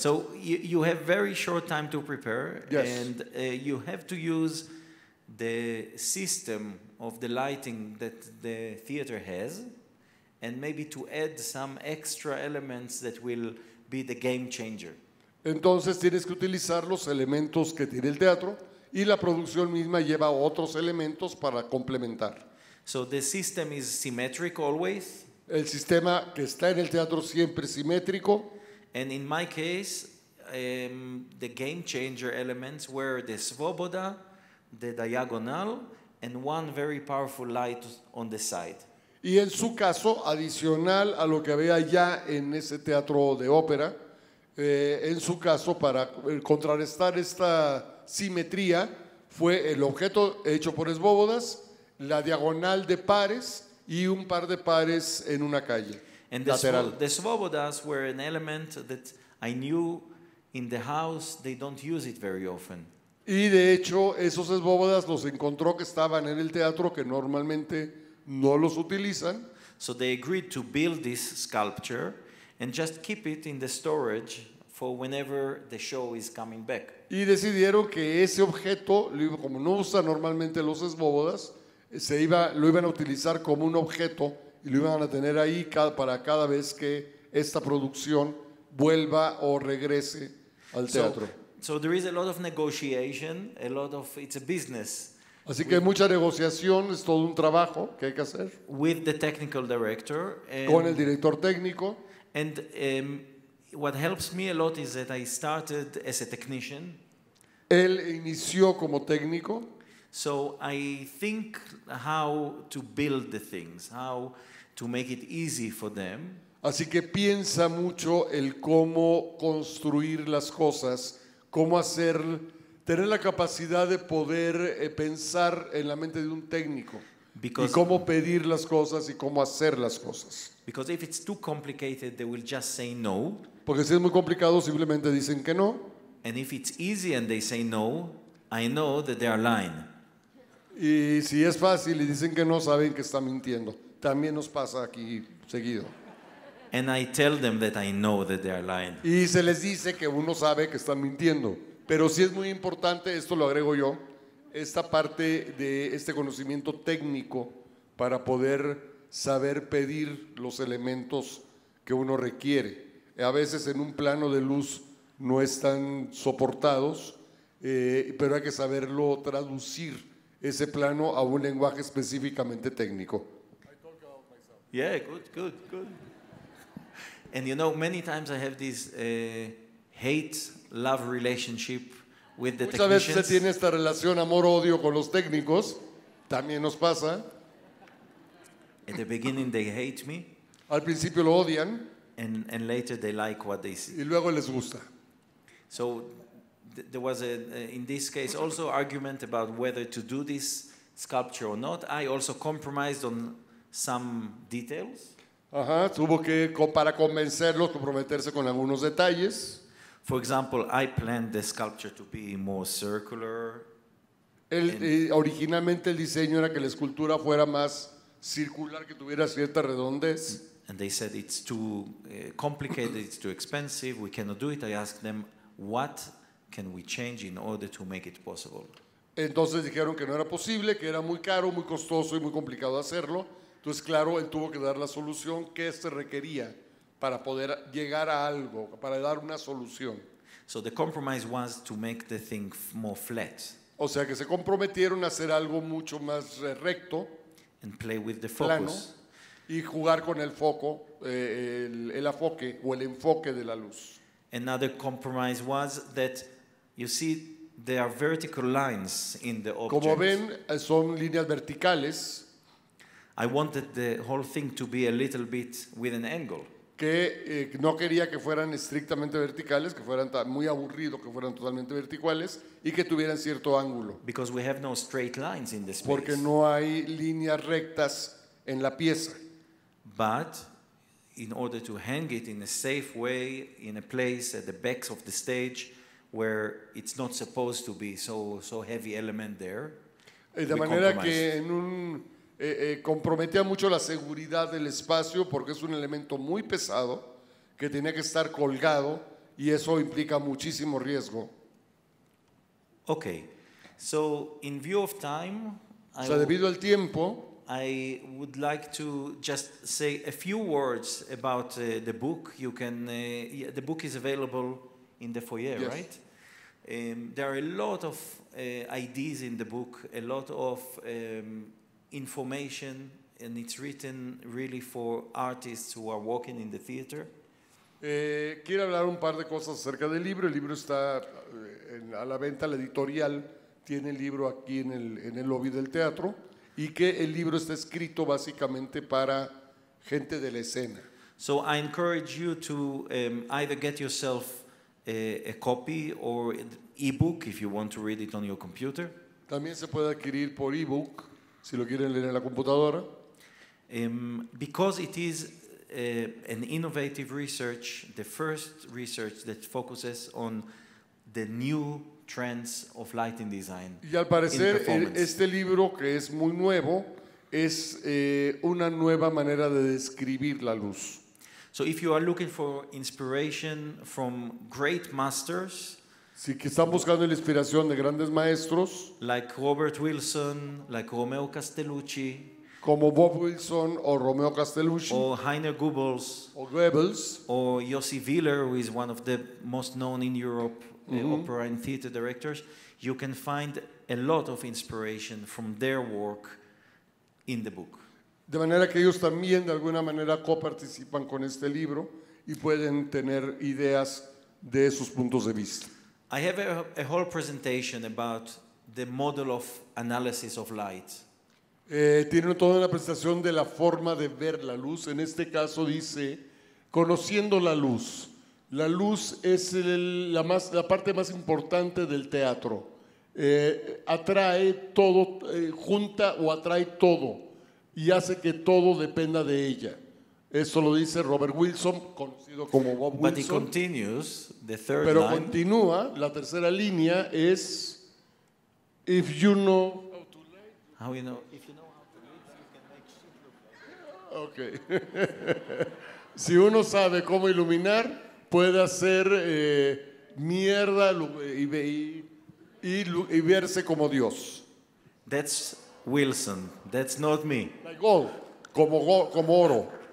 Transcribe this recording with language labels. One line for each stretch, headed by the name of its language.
English: So you have very short time to prepare. Yes. And you have to use the system of the lighting that the theater has, and maybe to add some extra elements that will be the game changer.
Spanish: Entonces tienes que utilizar los elementos que tiene el teatro y la producción misma lleva otros elementos para complementar.
English: So the system is symmetric always.
Spanish: El sistema que está en el teatro siempre es simétrico.
English: And in my case, the game changer elements were the svoboda, the diagonal, and one very powerful light on the side.
Spanish: Y en su caso, adicional a lo que había ya en ese teatro de ópera, en su caso, para contrarrestar esta simetría, fue el objeto hecho por svobodas, la diagonal de pares y un par de pares en una calle.
English: And lateral. The svobodas were an element that I knew in the house, they don't use it very often.
Spanish: Y de hecho, esos svobodas los encontró que estaban en el teatro, que normalmente no los utilizan.
English: So they agreed to build this sculpture and just keep it in the storage for whenever the show is coming back.
Spanish: Y decidieron que ese objeto, como no usan normalmente los svobodas, lo iban a utilizar como un objeto y lo iban a tener ahí para cada vez que esta producción vuelva o regrese al teatro.
English: So there is a lot of negotiation, a lot of, it's a business.
Spanish: Así que mucha negociación, es todo un trabajo que hay que hacer.
English: With the technical director.
Spanish: Con el director técnico.
English: And what helps me a lot is that I started as a technician.
Spanish: Él inició como técnico.
English: So I think how to build the things, how to make it easy for them.
Spanish: Así que piensa mucho el cómo construir las cosas, cómo hacer, tener la capacidad de poder pensar en la mente de un técnico y cómo pedir las cosas y cómo hacer las cosas.
English: Because if it's too complicated, they will just say no.
Spanish: Porque si es muy complicado, simplemente dicen que no.
English: And if it's easy and they say no, I know that they are lying.
Spanish: Y si es fácil y dicen que no, saben que están mintiendo. También nos pasa aquí seguido.
English: And I tell them that I know that they are lying.
Spanish: Y se les dice que uno sabe que están mintiendo. Pero sí es muy importante, esto lo agrego yo, esta parte de este conocimiento técnico para poder saber pedir los elementos que uno requiere. A veces en un plano de luz no están soportados, pero hay que saberlo traducir ese plano a un lenguaje específicamente técnico.
English: Yeah, good. And you know, many times I have this hate-love relationship with the technicians.
Spanish: Muchas veces se tiene esta relación amor-odio con los técnicos. También nos pasa.
English: At the beginning they hate me.
Spanish: Al principio lo odian.
English: And later they like what they see.
Spanish: Y luego les gusta.
English: So there was a in this case also argument about whether to do this sculpture or not. I also compromised on some details.
Spanish: Ajá, tuvo que para convencerlos, comprometerse con algunos detalles.
English: For example, I planned the sculpture to be more circular.
Spanish: Originalmente el diseño era que la escultura fuera más circular, que tuviera cierta redondez.
English: And they said it's too complicated, it's too expensive, we cannot do it. I asked them, what can we change in order to make it possible?
Spanish: Entonces dijeron que no era posible, que era muy caro, muy costoso y muy complicado hacerlo. Entonces, claro, él tuvo que dar la solución que se requería para poder llegar a algo, para dar una solución.
English: So the compromise was to make the thing more flat.
Spanish: O sea, que se comprometieron a hacer algo mucho más recto.
English: And play with the focus.
Spanish: Plano, y jugar con el foco, el afoque o el enfoque de la luz.
English: Another compromise was that, you see, there are vertical lines in the object.
Spanish: Como ven, son líneas verticales.
English: I wanted the whole thing to be a little bit with an angle.
Spanish: Que no quería que fueran estrictamente verticales, que fueran muy aburrido, que fueran totalmente verticales y que tuvieran cierto ángulo.
English: Because we have no straight lines in the space.
Spanish: Porque no hay líneas rectas en la pieza.
English: But in order to hang it in a safe way in a place at the back of the stage where it's not supposed to be so heavy element there.
Spanish: De manera que en un comprometía mucho la seguridad del espacio porque es un elemento muy pesado que tenía que estar colgado y eso implica muchísimo riesgo.
English: Okay, so in view of time,
Spanish: o sea, debido al tiempo,
English: I would like to just say a few words about the book. You can the book is available in the foyer, yes. Right? There are a lot of ideas in the book, a lot of information, and it's written really for artists who are working in the theater.
Spanish: Quiero hablar un par de cosas acerca del libro. El libro está a la venta, la editorial tiene el libro aquí en el lobby del teatro, y que el libro está escrito básicamente para gente de la escena.
English: So I encourage you to either get yourself a copy or an e-book if you want to read it on your computer.
Spanish: También se puede adquirir por e-book si lo quieren leer en la computadora.
English: Because it is an innovative research, the first research that focuses on the new trends of lighting design.
Spanish: Y al parecer este libro, que es muy nuevo, es una nueva manera de describir la luz.
English: So if you are looking for inspiration from great masters,
Spanish: si que están buscando la inspiración de grandes maestros,
English: like Robert Wilson, like Romeo Castellucci,
Spanish: como Bob Wilson o Romeo Castellucci,
English: or Heiner Goebbels, or Goebbels, or Jossi Willer, who is one of the most known in Europe opera and theater directors, you can find a lot of inspiration from their work in the book.
Spanish: De manera que ellos también de alguna manera coparticipan con este libro y pueden tener ideas de sus puntos de vista. I have a whole presentation about the model of analysis of light. Tiene toda una presentación de la forma de ver la luz. En este caso dice, conociendo la luz. La luz es la parte más importante del teatro. Atrae todo, junta o atrae todo. Y hace que todo dependa de ella. Eso lo dice Robert Wilson, conocido como Bob Wilson.
English: But he continues, the third
Spanish: pero
English: line.
Spanish: Continúa, la tercera línea es,
English: if you know how to light, how you know, if you know how to light, you can make shit look like that. Okay.
Spanish: Si uno sabe cómo iluminar, puede hacer mierda y verse como Dios.
English: That's Wilson, that's not me. Like gold,
Spanish: como oro.